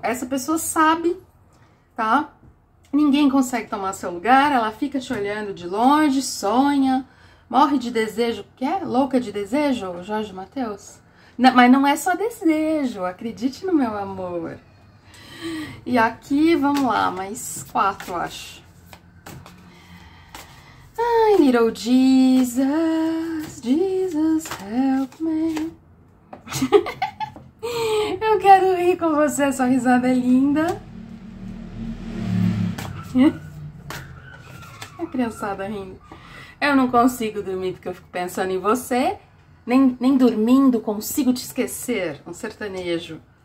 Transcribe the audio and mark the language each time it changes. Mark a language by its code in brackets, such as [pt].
[pt] Essa pessoa sabe, tá? Ninguém consegue tomar seu lugar, ela fica te olhando de longe, sonha, morre de desejo. Quer? Louca de desejo, Jorge Mateus? Não, mas não é só desejo, acredite no meu amor. E aqui, vamos lá, mais quatro, acho. [en] Ai, little Jesus, Jesus, help me. [pt] Eu quero rir com você, sua risada é linda. A criançada rindo. Eu não consigo dormir porque eu fico pensando em você. Nem dormindo consigo te esquecer, um sertanejo.